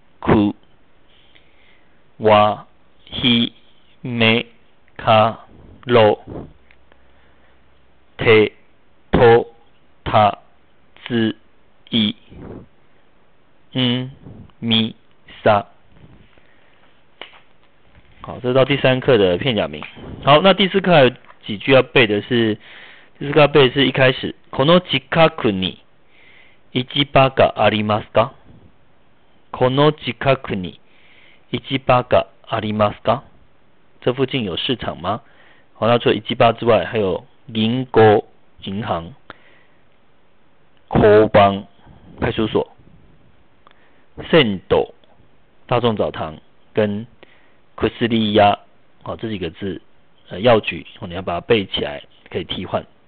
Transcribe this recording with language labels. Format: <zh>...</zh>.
<zh>哭哇嘿没卡肉贴托塔之一嗯咪撒。好，这到第三课的片假名。好，那第四课还有几句要背的是，第四课要背的是一开始</zh> <ja>この近くに市場がありますか？この近くに市場がありますか？</ja> <zh>这附近有市场吗？好，那除了市場之外，还有銀行、银行、交番、派出所、銭湯、大众澡堂跟クスリヤ，好，这几个字，药局，你要把它背起来，可以替换。</zh>